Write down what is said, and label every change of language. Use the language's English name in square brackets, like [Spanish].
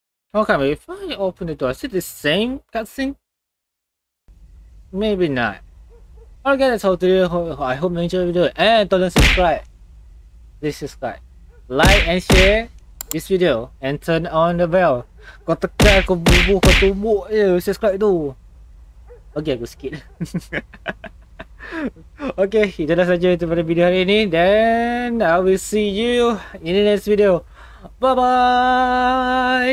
[English] Okay, if I open the door, is it the same cutscene? Maybe not. Okay, that's all today. I hope you enjoyed the video. And don't subscribe. Please subscribe. Like and share this video. And turn on the bell. Got the crack of boo for two more. Yeah, subscribe though. Okay, go skip. [Malay] Okay, itulah saja daripada video hari ini. [English] Then I will see you in the next video. Bye bye.